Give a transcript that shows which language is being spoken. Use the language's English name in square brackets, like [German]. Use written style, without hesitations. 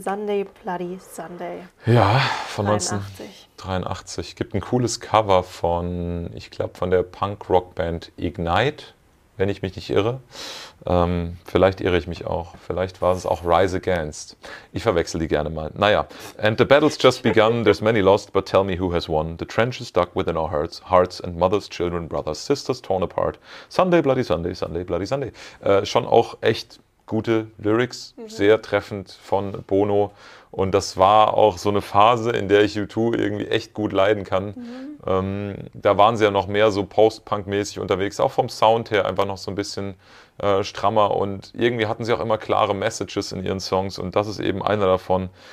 [English] Sunday, Bloody Sunday. [German] Ja, von 83. 1983. Gibt ein cooles Cover von, ich glaube, von der Punk-Rock-Band Ignite. Wenn ich mich nicht irre. Vielleicht irre ich mich auch. Vielleicht war es auch Rise Against. Ich verwechsel die gerne mal. [English] Naja. And the battle's just begun. There's many lost, but tell me who has won. The trenches dug within our hearts. Hearts and mothers, children, brothers, sisters torn apart. Sunday, bloody Sunday, Sunday, bloody Sunday. [German] Schon auch echt gute Lyrics. Sehr treffend von Bono. Und das war auch so eine Phase, in der ich U2 irgendwie echt gut leiden kann. Da waren sie ja noch mehr so Post-Punk-mäßig unterwegs, auch vom Sound her einfach noch so ein bisschen strammer und irgendwie hatten sie auch immer klare Messages in ihren Songs und das ist eben einer davon.